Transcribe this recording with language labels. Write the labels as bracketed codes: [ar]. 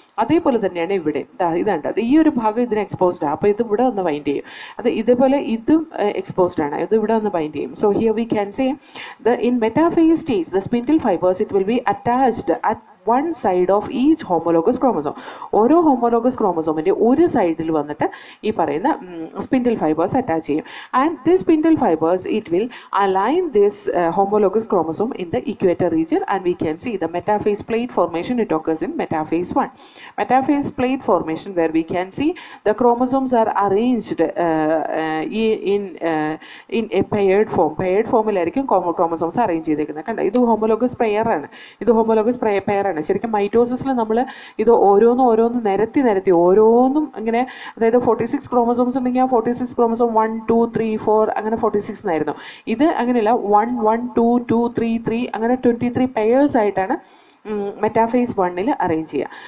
[ml] അതേപോലെ തന്നെയാണ് ഇവിടെ ഇതാണ്ട്, ഈ ഒരു ഭാഗം ഇതിന് എക്സ്പോസ്ഡ് ആണ്. അപ്പൊ ഇത് ഇവിടെ വന്ന് ബൈൻഡ് ചെയ്യും, അത് ഇതേപോലെ ഇതും എക്സ്പോസ്ഡ് ആണ്, ഇത് ഇവിടെ വന്ന് ബൈൻഡ് ചെയ്യും. [en] So here we can say the in metaphase stage the spindle fibres it will be attached one side of each homologous chromosome. [ml] ഒരു homologous chromosome ന്റെ ഒരു സൈഡിൽ വന്നിട്ട് ഈ പറയുന്ന spindle fibers attach ചെയ്യും, [en] and this spindle fibers it will align this homologous chromosome in the equator region, and we can see the metaphase plate formation it occurs in metaphase 1. Metaphase plate formation where we can see the chromosomes are arranged in a paired form. [ml] Paired formil ആയിരിക്കും chromosomes arrange ചെയ്തിരിക്കുന്നത്. കണ്ട, ഇത് homologous pair ആണ്, ഇത് homologous pair ാണ്. ശരിക്കും മൈറ്റോസിസിൽ നമ്മൾ ഇത് ഓരോന്നും ഓരോന്നും നിരത്തി നിരത്തി ഓരോന്നും ഇങ്ങനെ, അതായത് 46 ക്രോമസോംസ് ഉണ്ടെങ്കിൽ ആ 46 ക്രോമസോം 1 2 3 4 അങ്ങനെ 46 എന്നായിരുന്നു. ഇത് അങ്ങനെയല്ല, 1 1 2 2 3 3 അങ്ങനെ 23 പെയേഴ്സ് ആയിട്ടാണ് മെറ്റാഫേസ് വണ്ണിൽ അറേഞ്ച് ചെയ്യുക.